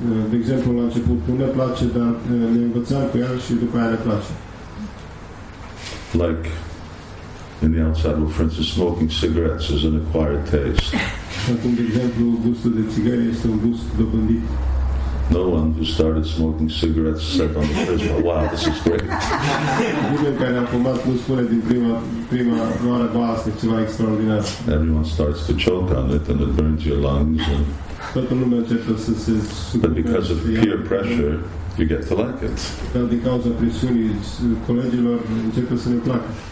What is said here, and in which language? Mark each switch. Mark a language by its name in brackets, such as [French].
[Romanian] De exemplu, la început nu ne place, dar ne învățăm cu ea și după aia ne place. [English] Like in the outside world, for instance, smoking cigarettes is an acquired taste. [Romanian] Acum, de exemplu, gustul de țigări este un gust dobândit. [English] No one who started smoking cigarettes said on the first one, wow, this is great. [Romanian] Nimeni care a fumat nu spune din prima oară, wow, asta e ceva extraordinar. [English] Everyone starts to choke on it and it burns your lungs. [Romanian] Toată lumea începe să se sucă. [English] But because of peer pressure, you get to like it. [Romanian] Dar din cauza presiunii colegilor începe să ne placă.